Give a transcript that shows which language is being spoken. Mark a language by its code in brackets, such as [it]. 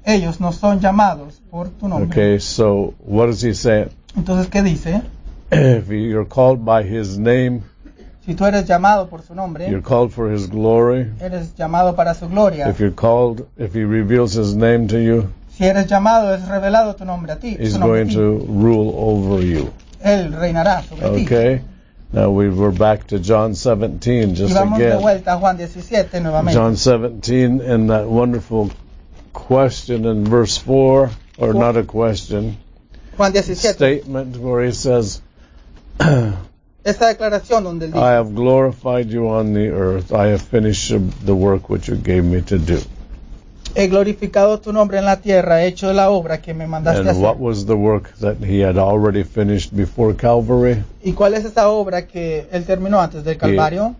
[es] Ellos no son llamados por tu nombre. [en] Okay, so what does he say? [es] Entonces, ¿qué dice? [en] If you're called by his name, [es] si tú eres llamado por su nombre, [en] you're called for his glory. [es] Eres llamado para su gloria. [en] If you're called, if he reveals his name to you, [es] si eres llamado, es revelado tu nombre a ti, [en] he's going to rule over you. [es] Él reinará sobre ti. [en] Okay. Now we were back to John 17 just [es] vamos [en] again. [es] De vuelta a Juan 17, nuevamente. [en] John 17 in that wonderful question in verse 4, or Juan, not a question. [es] Juan 17. [en] Statement where he says, [es] esta declaración donde él dice, [en] I have glorified you on the earth. I have finished the work which you gave me to do. [es] He glorificado tu nombre en la tierra. He hecho la obra que me mandaste [en] and [es] hacer. [en] What was the work that he had already finished before Calvary? [es] ¿Y cuál es esa obra que él terminó antes del Calvario?